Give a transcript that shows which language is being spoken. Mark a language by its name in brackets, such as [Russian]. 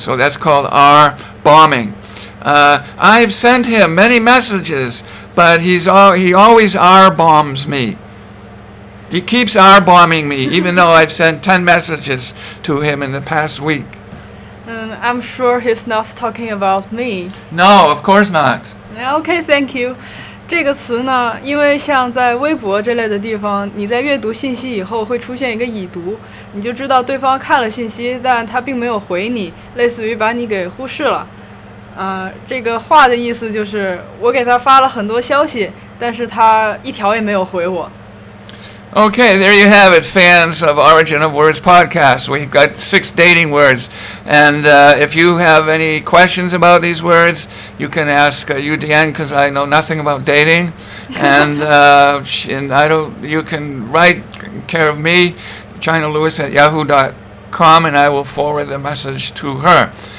[English] So that's called R bombing. I've sent him many messages, but he always R bombs me. He keeps R bombing me, even though I've sent 10 messages to him in the past week. I'm sure he's not talking about me. No, of course not. Okay, thank you. [Chinese] 这个词呢，因为像在微博这类的地方，你在阅读信息以后会出现一个已读，你就知道对方看了信息，但他并没有回你，类似于把你给忽视了。这个话的意思就是我给他发了很多消息，但是他一条也没有回我。 [English] Okay, there you have it, fans of Origin of Words podcast. We've got 6 dating words. And if you have any questions about these words, you can ask UDN, because I know nothing about dating. You can write care of me, ChinaLewis@yahoo.com, and I will forward the message to her.